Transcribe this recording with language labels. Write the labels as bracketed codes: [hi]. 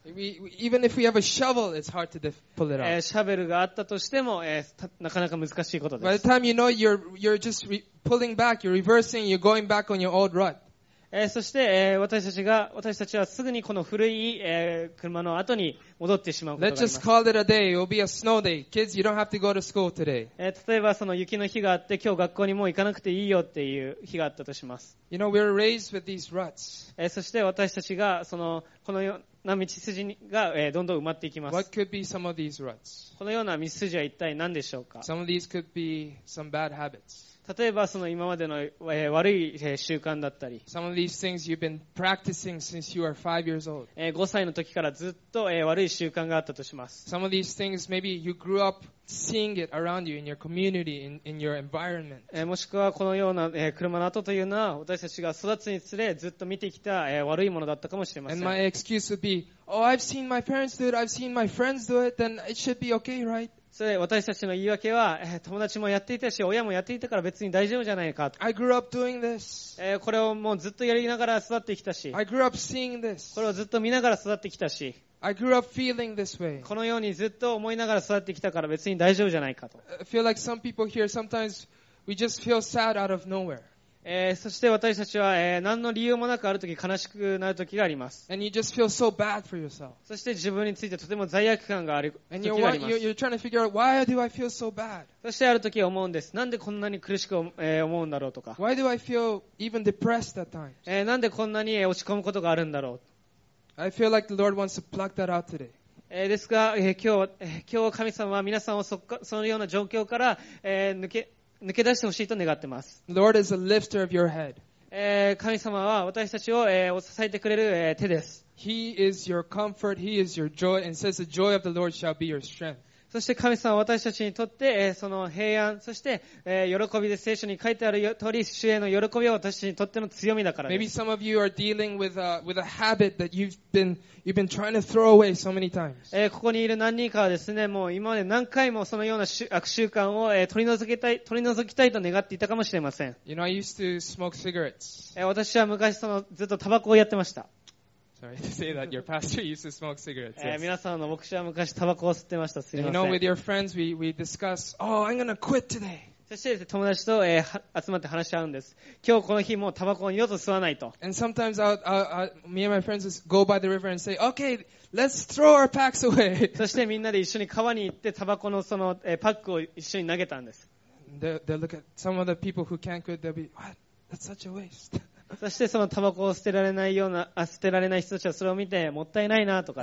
[en] Even if we have a shovel, it's hard to pull it out. [ja] シャベルがあったとしても、なかなか難しいことです。 [en] By the time you know, you're just pulling back, you're reversing, you're going back on your old rut. [ja] そして、私たちはすぐにこの古い、車の跡に戻ってしまうことがあります。 [en] Let's just call it a day. It'll be a snow day. Kids, you don't have to go to school today. [ja] 例えばその雪の日があって、今日学校にもう行かなくていいよっていう日があったとします。 [en] You know, we're raised with these ruts. [ja] そして私たちが、このような道筋が、どんどん埋まっていきます。 [en] What could be some of these ruts? [ja] このような道筋は一体何でしょうか? [en] Some of these could be some bad habits. [ja] 例えばその今までの悪い習慣だったり、 [en] Some of these things you've been practicing since you are five years old. [ja] 5歳の時からずっと悪い習慣があったとします。 [en] Some of these things maybe you grew up seeing it around you in your community, in your environment. [ja] もしくはこのような車の跡というのは私たちが育つにつれずっと見てきた悪いものだったかもしれません。 [en] And my excuse would be, oh, I've seen my parents do it, I've seen my friends do it, then it should be okay, right? [ja] それ私たちの言い訳は、友達もやっていたし、親もやっていたから別に大丈夫じゃないか。 [en] I grew up doing this. [ja] これをもうずっとやりながら育ってきたし。 [en] I grew up seeing this. [ja] これをずっと見ながら育ってきたし。 [en] I grew up feeling this way. [ja] このようにずっと思いながら育ってきたから別に大丈夫じゃないかと。 [en] I feel like some people here, sometimes we just feel sad out of nowhere. [ja] そして私たちは、何の理由もなくあるとき悲しくなるときがあります。 [en] And you just feel so bad for yourself. [ja] そして自分についてとても罪悪感があるときがあります。 [en] And you're trying to figure out why do I feel so bad? [ja] そしてあるとき思うんです。なんでこんなに苦しく、思うんだろうとか。 [en] Why do I feel even depressed at times? [ja] なんでこんなに落ち込むことがあるんだろう。 [en] I feel like the Lord wants to pluck that out today. [ja] ですが、今日神様は皆さんを そのような状況から、抜け出してほしいと願ってます。 [en] Lord is a lifter of your head. [ja] 神様は私たちを、支えてくれる、手です。 [en] He is your comfort, he is your joy, and says the joy of the Lord shall be your strength. [ja] そして神様は私たちにとって、その平安、そして、喜びで聖書に書いてある通り、主への喜びは私たちにとっての強みだからです。 [en] Maybe some of you are dealing with a habit that you've been trying to throw away so many times. [ja] ここにいる何人かはですね、もう今まで何回もそのような悪習慣を、取り除きたいと願っていたかもしれません。 [en] You know, I used to smoke cigarettes. [ja] 私は昔そのずっとタバコをやってました。 [en] Sorry to say that your pastor used to smoke cigarettes. Yes. [ja] 皆さんの牧師は昔タバコを吸ってました。すみません。 [en] And you know, with your friends, we discuss, oh, I'm gonna quit today. [ja] そしてですね、友達と、集まって話し合うんです。今日この日もうタバコを二度と吸わないと。 [en] And sometimes me and my friends just go by the river and say, okay, let's throw our packs away. [ja] そしてみんなで一緒に川に行ってタバコのその、パックを一緒に投げたんです。 [en] They look at some of the people who can't quit. They'll be, what? That's such a waste. [ja] そしてそのタバコを捨てられないような捨てられない人たちはそれを見てもったいないなとか